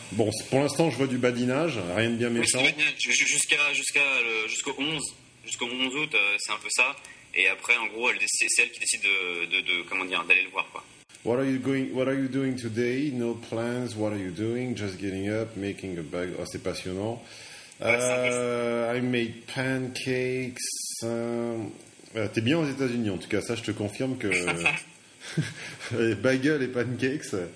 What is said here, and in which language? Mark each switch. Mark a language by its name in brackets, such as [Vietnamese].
[French] Bon, pour l'instant, je vois du badinage, rien de bien méchant. Jusqu'au 11 août, c'est un peu ça. Et après, en gros, c'est elle qui décide d'aller le voir, quoi. [English] What are you doing today? No plans. What are you doing? Just getting up, making a bag. Oh, [French] c'est passionnant. [English] I made pancakes. [French] T'es bien aux États-Unis, en tout cas. Ça, je te confirme que bagels et pancakes.